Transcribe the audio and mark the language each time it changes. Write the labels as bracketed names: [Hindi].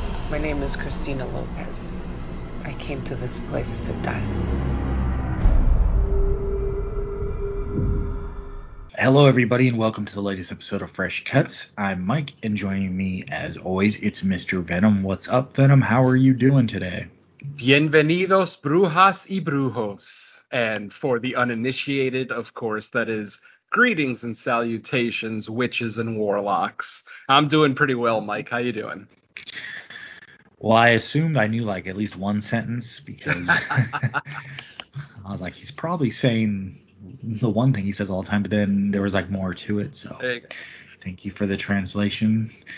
[English] My name is Christina Lopez. I came to this place to die. Hello, everybody, and welcome to the latest episode of Fresh Cuts. I'm Mike, and joining me, as always, it's Mr. Venom. What's up, Venom? How are you doing today? [Spanish] Bienvenidos, brujas y brujos. [English] And for the uninitiated, of course, that is greetings and salutations, witches and warlocks. I'm doing pretty well, Mike. How you doing? Well, I assumed I knew, like, at least one sentence, because I was like, he's probably saying the one thing he says all the time, but then there was like more to it, so thank you for the translation.